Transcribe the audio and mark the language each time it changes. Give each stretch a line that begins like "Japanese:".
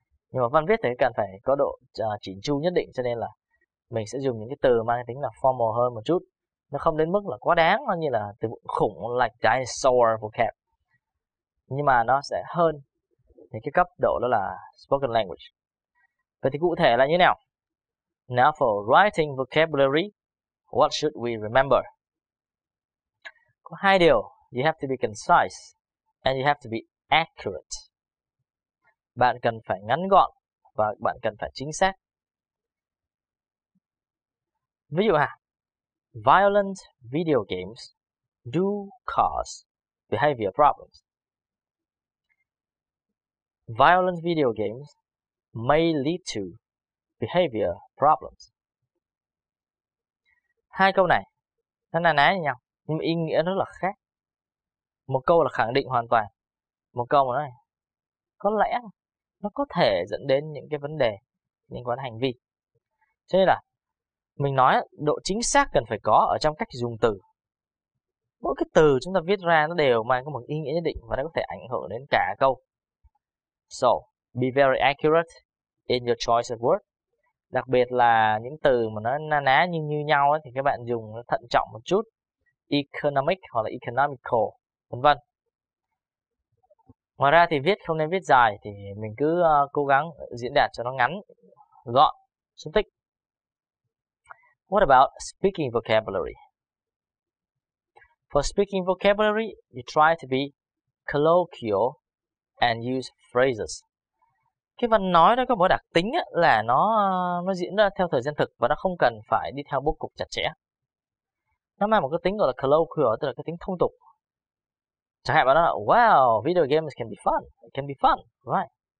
Vietnamese: Nhưng mà văn viết thì cần phải có độ chỉnh chu nhất định, cho nên là mình sẽ dùng những cái từ mang tính là formal hơn một chút. Nó không đến mức là quá đáng như là từ khủng
English: like dinosaur vocab.
Vietnamese: Nhưng mà nó sẽ hơn thì cái cấp độ đó là
English: spoken language.
Vietnamese: Vậy thì cụ thể là như nào?
English: Now for writing vocabulary, what should we remember?
Vietnamese: Có hai điều.
English: You have to be concise and you have to be accurate.
Vietnamese: Bạn cần phải ngắn gọn và bạn cần phải chính xác. Ví dụ ha,
English: violent video games do cause behavior problems. Violent video games may lead to behavior problems.
Vietnamese: Hai câu này nó ná ná như nhau nhưng ý nghĩa rất là khác. Một câu là khẳng định hoàn toàn, một câu mà nói có lẽ nó có thể dẫn đến những cái vấn đề liên quan hành vi. Cho nên là mình nói độ chính xác cần phải có ở trong cách dùng từ. Mỗi cái từ chúng ta viết ra nó đều mang có một ý nghĩa nhất định và nó có thể ảnh hưởng đến cả câu.
English: So, be very accurate in your choice of word.
Vietnamese: Đặc biệt là những từ mà nó na ná như nhau ấy, thì các bạn dùng nó thận trọng một chút. Economic hoặc là economical, vân vân. Ngoài ra thì viết không nên viết dài, thì mình cứ cố gắng diễn đạt cho nó ngắn, gọn, xúc tích.
English: What about speaking vocabulary? For speaking vocabulary, you try to be colloquial and use phrases.
Vietnamese: Cái văn nói nó có một đặc tính là nó diễn ra theo thời gian thực và nó không cần phải đi theo bố cục chặt chẽ. Nó mang một cái tính gọi là colloquial, tức là cái tính thông tục. Chẳng hạn bạn nói là,
English: wow, video games can be fun, right?